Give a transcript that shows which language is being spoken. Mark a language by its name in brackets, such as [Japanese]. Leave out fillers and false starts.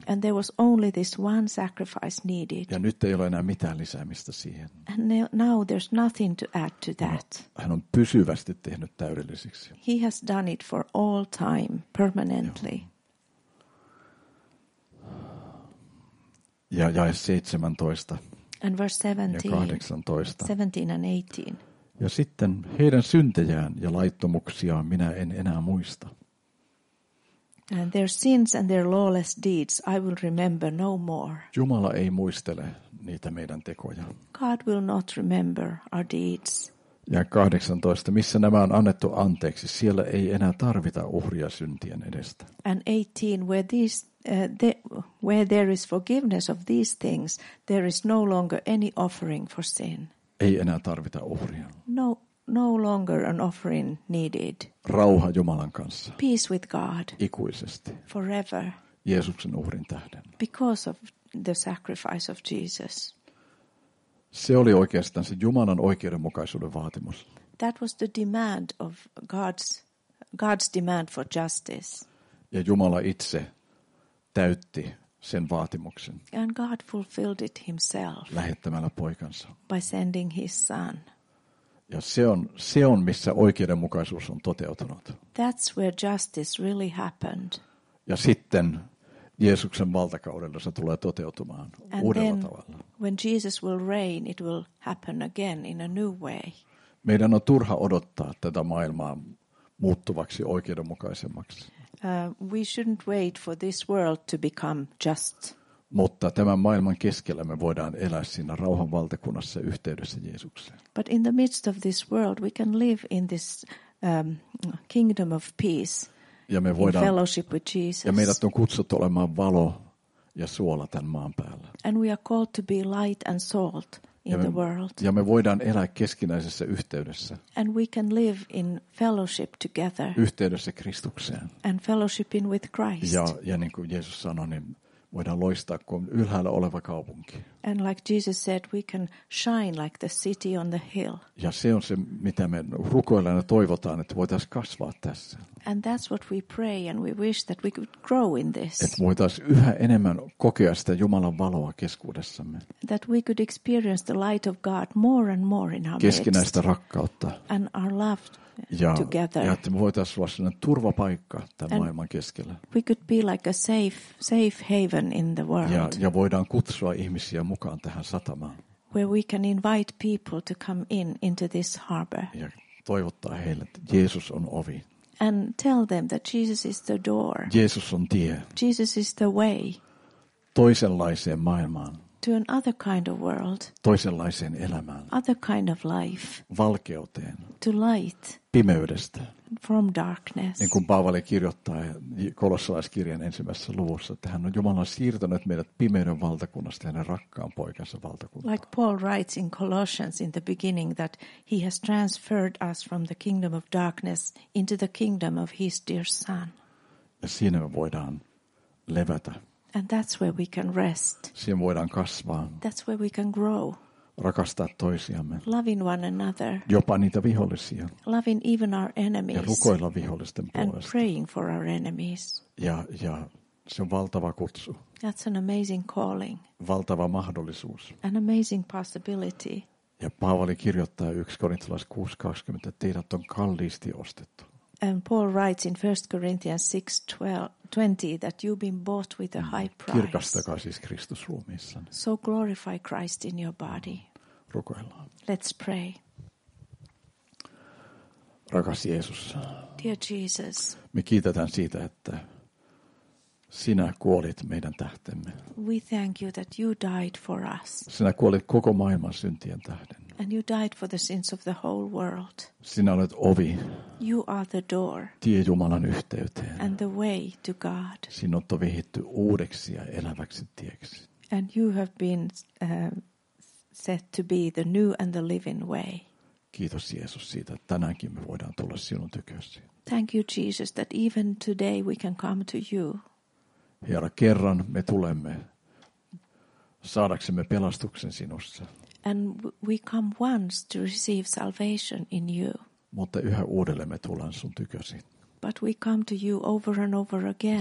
[English] And there was only this one sacrifice needed. [Finnish] Ja nyt ei ole enää mitään lisäämistä siihen. [English] And now there's nothing to add to that. [Finnish] Hän on pysyvästi tehnyt täydelliseksi. [English] He has done it for all time, permanently. [Finnish] Ja jae 17. [English] And verse 17. [Finnish] Ja 18. [English] 17 and 18. [Finnish] Ja sitten heidän syntejään ja laittomuksiaan minä en enää muista. [English] And their sins and their lawless deeds I will remember no more. [Finnish] Jumala ei muistele niitä meidän tekoja. [English] God will not remember our deeds. [Finnish] Ja 18, missä nämä on annettu anteeksi, siellä ei enää tarvita uhria syntien edestä. [English] And 18, where there is forgiveness of these things, there is no longer any offering for sin. [Finnish] Ei enää tarvita uhria. [English] No longer an offering needed. [Finnish] Rauha Jumalan kanssa. [English] Peace with God. [Finnish] Ikuisesti. [English] Forever. [Finnish] Jeesuksen uhrin tähden. [English] Because of the sacrifice of Jesus. [Finnish] Se oli oikeastaan se Jumalan oikeudenmukaisuuden vaatimus. [English] That was the demand of God's demand for justice. [Finnish] Ja Jumala itse täytti sen vaatimuksen. [English] And God fulfilled it himself. [Finnish] Lähettämällä poikansa. [English] By sending his son. [Finnish] Ja se on missä oikeudenmukaisuus on toteutunut. [English] That's where justice really happened. [Finnish] Ja sitten Jeesuksen valtakaudella se tulee toteutumaan uudella tavalla. [English] When Jesus will reign, it will happen again in a new way. [Finnish] Meidän on turha odottaa tätä maailmaa muuttuvaksi oikeudenmukaisemmaksi. [English] We shouldn't wait for this world to become just. [Finnish] Mutta tämän maailman keskellä me voidaan elää siinä rauhan valtakunnassa yhteydessä Jeesukseen. [English] But in the midst of this world, we can live in this kingdom of peace. [Finnish] Ja me voidaan, [English] in fellowship with Jesus. [Finnish] Ja meidät on kutsuttu olemaan valo ja suola tämän maan päällä. [English] And we are called to be light and salt in the world. [Finnish] Ja me voidaan elää keskinäisessä yhteydessä. [English] And we can live in fellowship together. [Finnish] Yhteydessä Kristukseen. [English] And fellowshiping with Christ. [Finnish] Ja niin kuin Jeesus sanoi, niin voidaan loistaa kuin ylhäällä oleva kaupunki. [English] And like Jesus said, we can shine like the city on the hill. [Finnish] Ja se on se, mitä me rukoillaan ja toivotaan, että voitaisiin kasvaa tässä. [English] And that's what we pray and we wish that we could grow in this. [Finnish] Että voitaisiin yhä enemmän kokea sitä Jumalan valoa keskuudessamme. [English] That we could experience the light of God more and more in our midst. [Finnish] Keskinäistä rakkautta. [English] And our love. [Finnish] Ja että me voitaisiin olla sellainen turvapaikka tämän [English] and [Finnish] maailman keskellä. [English] We could be like a safe haven in the world. [Finnish] Ja voidaan kutsua ihmisiä mukaan tähän satamaan. [English] Where we can invite people to come into this harbor. [Finnish] Ja toivottaa heille, että Jeesus on ovi. [English] And tell them that Jesus is the door. [Finnish] Jeesus on tie. [English] Jesus is the way. [Finnish] Toisenlaiseen maailmaan. [English] To another kind of world. [Finnish] Toisenlaiseen elämään. [English] Other kind of life. [Finnish] Valkeuteen. [English] To light. [Finnish] Pimeydestä. [English] From darkness. [Finnish] Niin kuin Paavali kirjoittaa Kolossalaiskirjan ensimmäisessä luvussa, että hän on Jumalan siirtänyt meidät pimeyden valtakunnasta hänen rakkaan poikansa valtakuntaan. [English] Like Paul writes in Colossians in the beginning that he has transferred us from the kingdom of darkness into the kingdom of his dear son. [Finnish] Ja siinä me voidaan levätä. [English] And that's where we can rest. [Finnish] Siihen voidaan kasvaa. [English] That's where we can grow. [Finnish] Rakastaa toisiamme. [English] Loving one another. [Finnish] Jopa niitä vihollisia. [English] Loving even our enemies. [Finnish] Ja rukoilla vihollisten puolesta. [English] And praying for our enemies. [Finnish] Ja se on valtava kutsu. [English] That's an amazing calling. [Finnish] Valtava mahdollisuus. [English] An amazing possibility. [Finnish] Ja Paavali kirjoittaa 1 Korintolaiskirje 6:20, että teidät on kalliisti ostettu. [English] And Paul writes in 1 Corinthians 6:20 that you've been bought with a high price. [Finnish] Kirkastakaa siis Kristus ruumiissanne. [English] So glorify Christ in your body. [Finnish] Rukoillaan. [English] Let's pray. [Finnish] Rakas Jeesus. [English] Dear Jesus. [Finnish] Me kiitetään siitä, että sinä kuolit meidän tähtemme. [English] We thank you that you died for us. [Finnish] Sinä kuolit koko maailman syntien tähden. [English] And you died for the sins of the whole world. [Finnish] Sinä olet ovi. [English] You are the door. [Finnish] Tie Jumalan yhteyteen. [English] And the way to God. [Finnish] Sinut on vihitty uudeksi ja eläväksi tieksi. [English] And you have been set to be the new and the living way. [Finnish] Kiitos Jeesus siitä, että tänäänkin me voidaan tulla sinun tyköisiin. [English] Thank you Jesus that even today we can come to you. [Finnish] Herra, kerran me tulemme saadaksemme pelastuksen sinussa. [English] And we come once to receive salvation in you. [Finnish] Mutta yhä uudelleen me tullaan sun tykösi. [English] But we come to you over and over again.